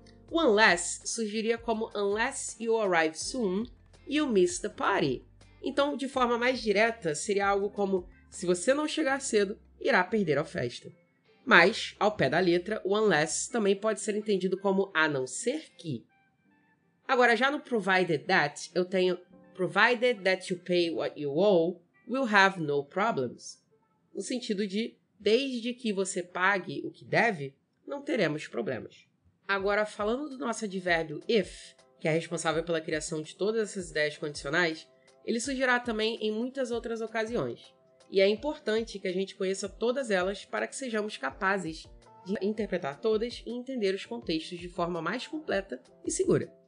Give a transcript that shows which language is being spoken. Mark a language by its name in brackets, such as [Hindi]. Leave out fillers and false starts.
[Portuguese] O unless surgiria como [English] unless you arrive soon, you miss the party. [Portuguese] Então, de forma mais direta, seria algo como: se você não chegar cedo, irá perder a festa. Mas, ao pé da letra, o unless também pode ser entendido como a não ser que. Agora, já no provided that, eu tenho [English] provided that you pay what you owe, we'll have no problems. [Portuguese] No sentido de: desde que você pague o que deve, não teremos problemas. Agora, falando do nosso advérbio if, que é responsável pela criação de todas essas ideias condicionais, ele surgirá também em muitas outras ocasiões, e é importante que a gente conheça todas elas para que sejamos capazes de interpretar todas e entender os contextos de forma mais completa e segura.